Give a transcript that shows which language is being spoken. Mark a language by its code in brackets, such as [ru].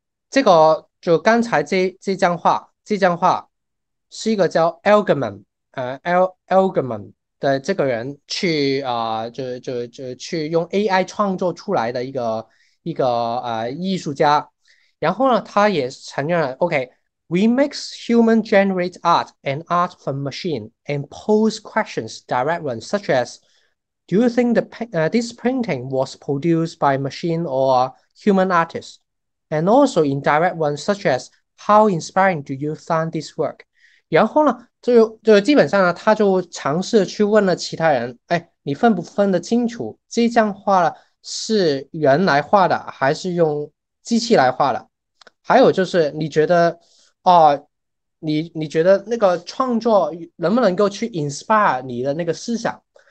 [zh] 这个就刚才这张画是一个叫 Elgamon Elgamon 的这个人去就去用 AI 创作出来的一个艺术家。然后呢，他也承认了， [en] OK，we mix human-generated art and art from machine and pose questions directly, such as, do you think this painting was produced by machine or human artist? And also indirect ones, such as, how inspiring do you find this work? [zh] 然后呢，就基本上呢，他就尝试去问了其他人，哎，你分不分得清楚这张画是人来画的还是用机器来画的？还有就是，你觉得，你觉得那个创作能不能够去 inspire 你的那个思想？